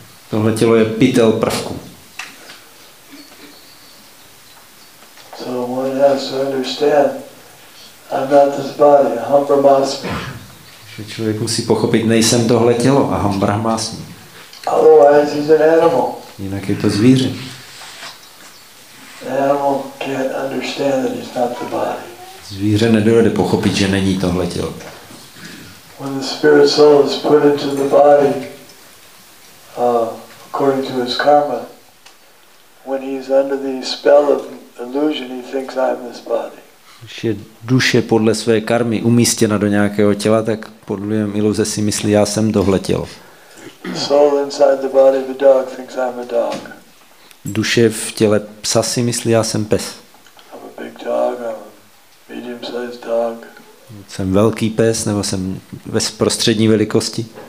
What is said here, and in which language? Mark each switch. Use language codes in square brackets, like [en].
[cs] Tohle tělo je pytel prvku. [en] So one has to understand, I'm not this body, aham brahmasmi. [cs] Že člověk musí pochopit, nejsem tohle tělo, aham brahmasmi. [en] Otherwise he's an animal. [cs] Jinak je to zvíře. [en] Animal can't understand that he's not the body. [cs] Zvíře nedovede pochopit, že není tohle tělo. [en] When the spirit soul is put into the body, according to his karma, when he's under the spell of illusion, he thinks I'm this body. [cs] Když je duše podle své karmy umístěna do nějakého těla, tak podle vlivem iluze si myslí, já jsem tohle tělo. [en] Soul inside the body of a dog thinks I'm a dog. [cs] Duše v těle psa si myslí, já jsem pes. [en] I'm a big dog, I'm a medium-sized dog. [cs] Jsem velký pes nebo jsem ve prostřední velikosti.